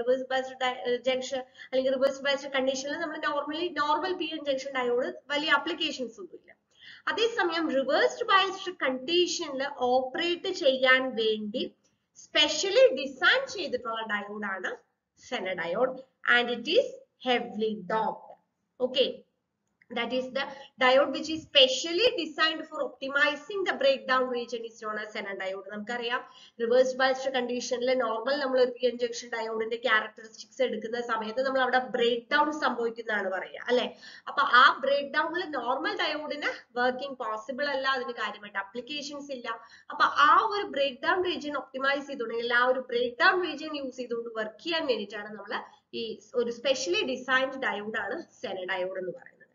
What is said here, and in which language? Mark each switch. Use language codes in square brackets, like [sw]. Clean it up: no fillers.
[ml] Reverse biased junction അല്ലെങ്കിൽ reverse biased കണ്ടീഷനിൽ നമ്മൾ normally normal P N junction diode വലിയ ആപ്ലിക്കേഷൻസ് ഒന്നുമില്ല. അതേസമയം റിവേഴ്സ്ഡ് ബയസ്ഡ് കണ്ടീഷനിൽ ഓപ്പറേറ്റ് ചെയ്യാൻ വേണ്ടി സ്പെഷ്യലി ഡിസൈൻ ചെയ്തിട്ടുള്ള ഡയോഡ് ആണ് Senna diode, [en] And it is heavily doped. Okay, that is the diode which is specially designed for optimizing the breakdown region is known as Zener diode. [ml] നമുക്കറിയാം reverse biased condition ല normal നമ്മൾ ഒരു P N junction ഡയോഡിന്റെ characteristics എടുക്കുന്ന സമയത്ത് നമ്മൾ അവിടെ break down സംഭവിക്കുന്നതാണ് പറയുക, അല്ലെ? അപ്പൊ ആ ബ്രേക്ക് ഡൗണിൽ നോർമൽ ഡയോഡിന് വർക്കിംഗ് പോസിബിൾ അല്ല, അതിന് കാര്യമായിട്ട് അപ്ലിക്കേഷൻസ് ഇല്ല. അപ്പൊ ആ ഒരു ബ്രേക്ക് ഡൗൺ റീജിയൻ ഒപ്റ്റിമൈസ് ചെയ്തുകൊണ്ടെങ്കിൽ, ആ ഒരു ബ്രേക്ക് ഡൗൺ റീജിയൻ യൂസ് ചെയ്തുകൊണ്ട് വർക്ക് ചെയ്യാൻ വേണ്ടിയിട്ടാണ് നമ്മൾ ഈ ഒരു സ്പെഷ്യലി ഡിസൈൻഡ് ഡയോഡ് ആണ് സെന ഡയോഡ് എന്ന് പറയുന്നത്.